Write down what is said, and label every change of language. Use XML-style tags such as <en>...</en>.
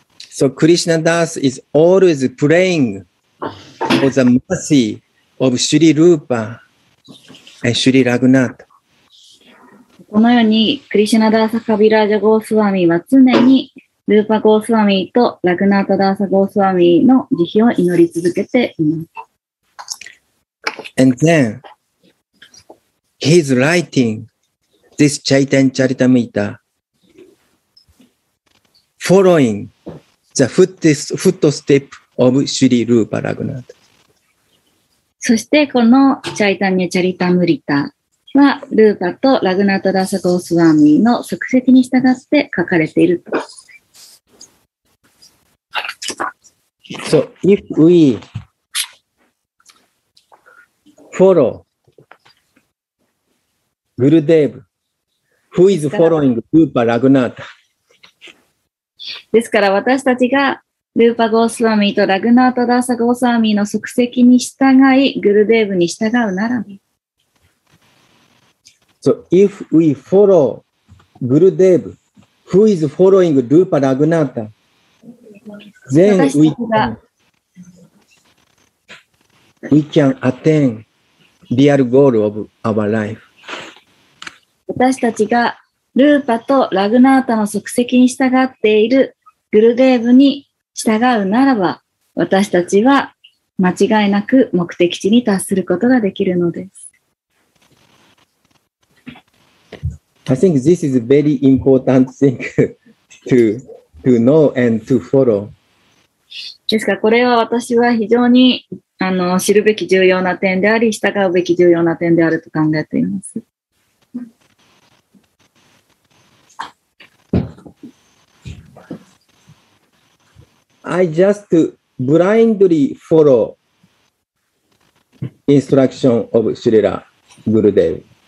<en>So, クリシュナダーサ is always praying for the mercy of シュリー・ルーパー and シュリー・ラグナータ。</en> <ja>このように、クリシュナダーサ・カビラージャ・ゴースワミは常に、ルーパ・ゴースワミとラグナータ・ダーサ・ゴースワミの慈悲を祈り続けています。</ja> <en>And then, he's writing this Chaitanya Charitamrita following the footstep of Sri Rupa Raghunatha.</en> <ja>そして、このチャイタンニャ・チャリタムリタ、はルーパとラグナタダサゴースワーミーの足跡に従って書かれていると。</ja> <en>So if we follow グルデーブ who is following ルーパラグナタ。</en> <ja>ですから私たちがルーパゴースワーミーとラグナタダサゴースワーミーの足跡に従いグルデーブに従うなら。</ja> <en>So if we follow Gurudev, who is following Rupa Raghunatha, then we can attain real goal of our life.</en> <ja>私たちがルーパとラグナータの足跡に従っているグルデーブに従うならば、私たちは間違いなく目的地に達することができるのです。</ja> <en>I think this is a very important thing to know and to follow.</en> <ja>ですから、これは私は非常に知るべき重要な点であり、従うべき重要な点であると考えています。</ja> <en>I just blindly follow instruction of Srila Gurudev.</en>